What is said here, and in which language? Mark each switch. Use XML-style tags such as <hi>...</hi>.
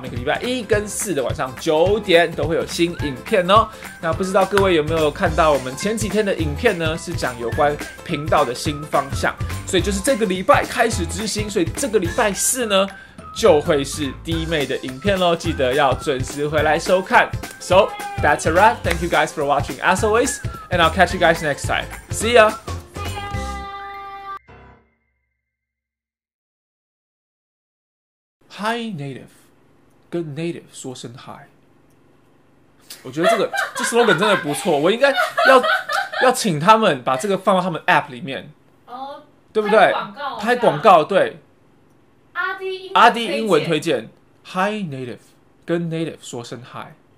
<zh>每个礼拜一跟四的晚上9点都会有新影片哦。那不知道各位有没有看到我们前几天的影片呢？是讲有关频道的新方向，所以就是这个礼拜开始执行。所以这个礼拜四呢，就会是弟妹的影片喽，记得要准时回来收看。</zh> <en>So that's a wrap. Thank you guys for watching as always, and I'll catch you guys next time. See ya.</en> <zh>Hi native, 跟 native 说声 hi。我觉得这 slogan 真的不错，我应该要请他们把这个放到他们 app 里面，对不对？拍广告，对。阿迪英文推荐，Hi Native， 跟 Native 说声 Hi，</zh>